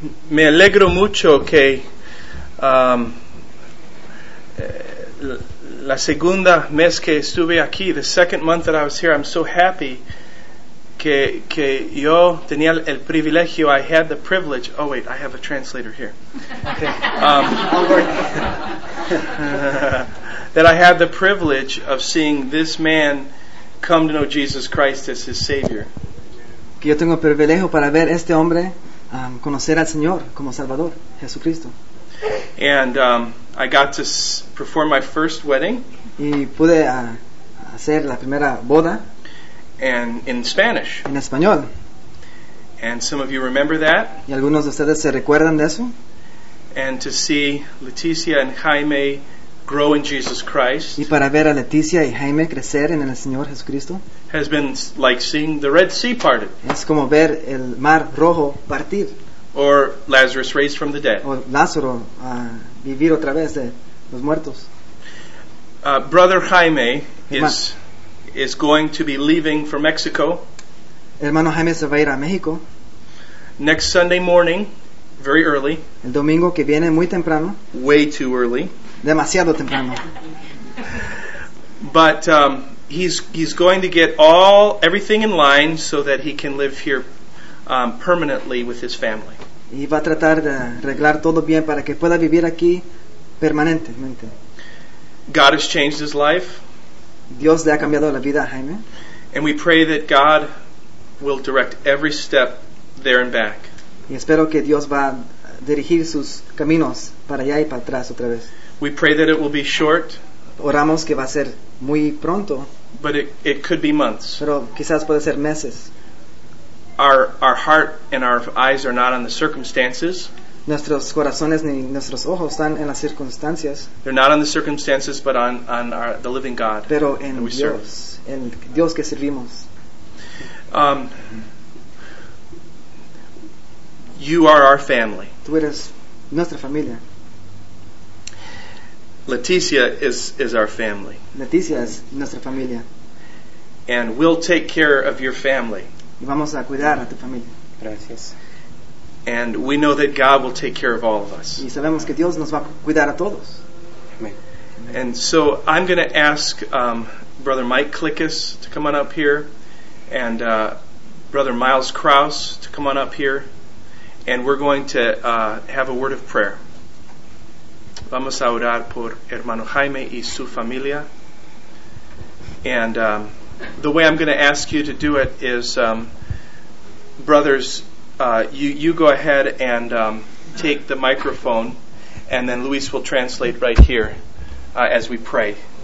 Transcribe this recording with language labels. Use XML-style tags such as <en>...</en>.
<es>Me alegro mucho que la segunda mes que estuve aquí,</es> <en>the second month that I was here, I'm so happy</en> <es>que yo tenía el privilegio,</es> <en>I had the privilege. Oh wait, I have a translator here. that I had the privilege of seeing this man come to know Jesus Christ as his Savior.</en> <es>Que yo tengo el privilegio para ver este hombre conocer al Señor como Salvador, Jesucristo.</es> <en>And I got to perform my first wedding.</en> <es>Y pude hacer la primera boda.</es> <en>And in Spanish.</en> <es>En español.</es> <en>And some of you remember that.</en> <es>¿Y algunos de ustedes se recuerdan de eso?</es> <en>And to see Leticia and Jaime grow in Jesus Christ.</en> <es>Y para ver a Leticia y Jaime crecer en el Señor Jesucristo.</es> <en>Has been like seeing the Red Sea parted.</en> <es>Es como ver el Mar Rojo partir.</es> <en>Or Lazarus raised from the dead.</en> <es>O Lázaro vivir otra vez de los muertos.</es> <en>Brother Jaime is going to be leaving for Mexico.</en> <es>Hermano Jaime se va a ir a México.</es> <en>Next Sunday morning, very early.</en> <es>El domingo que viene muy temprano.</es> <en>Way too early.</en> <es>Demasiado temprano.</es> <en>But he's going to get everything in line so that he can live here permanently with his family.</en> <es>Y va a tratar de arreglar todo bien para que pueda vivir aquí permanentemente.</es> <en>God has changed his life.</en> <es>Dios le ha cambiado la vida a Jaime.</es> <en>And we pray that God will direct every step there and back.</en> <es>Y espero que Dios va a dirigir sus caminos para allá y para atrás otra vez.</es> <en>We pray that it will be short.</en> <es>Oramos que va a ser muy pronto.</es> <en>But it could be months.</en> <es>Pero quizás puede ser meses.</es> <en>Our heart and our eyes are not on the circumstances.</en> <es>Nuestros corazones ni nuestros ojos están en las circunstancias.</es> <en>They're not on the circumstances, but on our, the living God.</en> <es>Pero en Dios,</es> <en>serve.</en> <es>En Dios que servimos.</es> <en>You are our family.</en> <es>Tú eres nuestra familia.</es> <en>Leticia is our family.</en> <es>Leticia es nuestra familia.</es> <en>And we'll take care of your family.</en> <es>Y vamos a cuidar a tu familia. Gracias.</es> <en>And we know that God will take care of all of us.</en> <es>Y sabemos que Dios nos va a cuidar a todos.</es> <en>Amen. And so I'm going to ask Brother Mike Klickus to come on up here, and Brother Miles Krause to come on up here, and we're going to have a word of prayer.</en> <es>Vamos a orar por hermano Jaime y su familia.</es> <en>And the way I'm going to ask you to do it is, brothers, you go ahead and take the microphone, and then Luis will translate right here as we pray.</en>